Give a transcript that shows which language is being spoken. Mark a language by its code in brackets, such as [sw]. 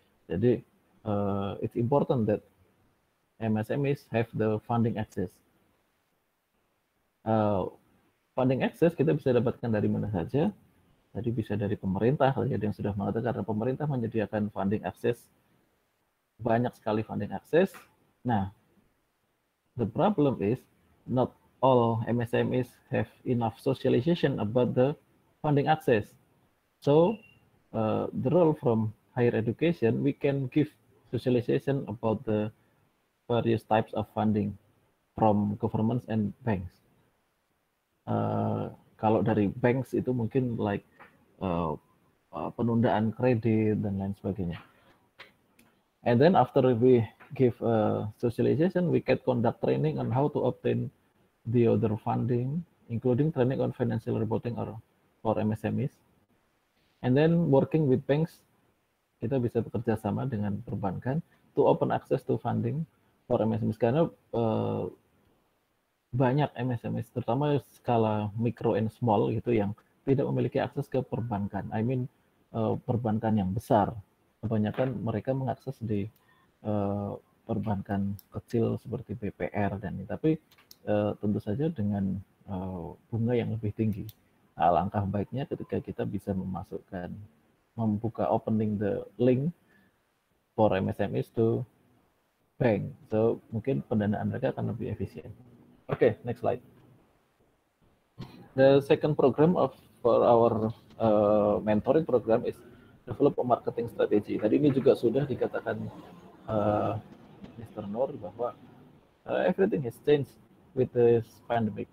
[id] Jadi [en] it's important that MSMEs have the funding access. [id] Funding access kita bisa dapatkan dari mana saja. Tadi bisa dari pemerintah, ada yang sudah mengatakan karena pemerintah menyediakan funding access, banyak sekali funding access. [en] Nah, the problem is not all MSMEs have enough socialization about the funding access. So the role from higher education, we can give socialization about the various types of funding from governments and banks. [id] Kalau dari banks itu mungkin like penundaan kredit dan lain sebagainya. [en] And then after we give socialization, we can conduct training on how to obtain the other funding, including training on financial reporting or for MSMEs. And then working with banks, [id] kita bisa bekerja sama dengan perbankan [en] to open access to funding for MSMEs. [id] Karena banyak MSMEs, terutama skala mikro and small gitu, yang tidak memiliki akses ke perbankan. [en] I mean [id] perbankan yang besar. Kebanyakan mereka mengakses di perbankan kecil seperti BPR dan ini. Tapi tentu saja dengan bunga yang lebih tinggi. Alangkah baiknya ketika kita bisa memasukkan, membuka [en] opening the link for MSMEs to bank. [id] So mungkin pendanaan mereka akan lebih efisien. [en] Okay, next slide. The second program of for our mentoring program is develop a marketing strategy. [id] Tadi ini juga sudah dikatakan Mr. [en] Nur bahwa everything has changed with this pandemic.